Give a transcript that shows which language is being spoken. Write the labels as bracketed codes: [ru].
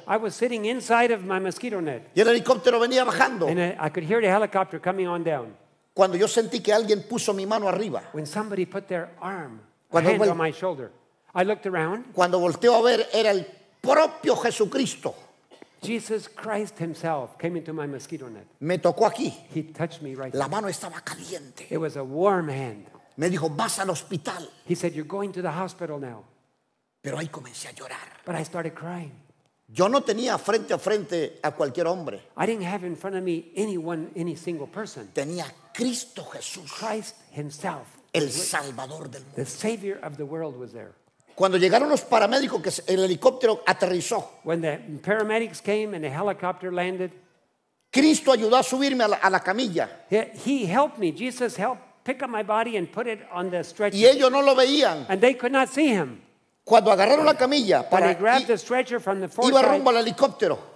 [en] I was sitting inside of my mosquito net. [es] Y el helicóptero venía bajando. [en] And I could hear the helicopter coming on down. [es] Cuando yo sentí que alguien puso mi mano arriba. [en] When somebody put their arm, cuando hand on my shoulder. I looked around. [es] Cuando volteo a ver, era el propio Jesucristo. [en] Jesus Christ himself came into my mosquito net. [es] Me tocó aquí. [en] He touched me right [es] La mano estaba caliente. [en] It was a warm hand. [es] Me dijo, vas al hospital. [en] He said, you're going to the hospital now. [es] Pero ahí comencé a llorar. [en] But I started crying. [es] Yo no tenía frente a frente a cualquier hombre. [en] I didn't have in front of me anyone, any single person. [es] Tenía Cristo Jesús. [en] Christ himself. [es] El Salvador del mundo. [en] The Savior of the world was there. [es] Cuando llegaron los paramédicos, que el helicóptero aterrizó. [en] When the paramedics came and the helicopter landed, [es] Cristo ayudó a subirme a la camilla. [en] He helped me. Jesus helped pick up my body and put it on the stretcher. [es] Y ellos no lo veían. [en] And they could not see him. [es] Cuando agarraron la camilla para grabar el stretcher from the iba rumbo al helicóptero.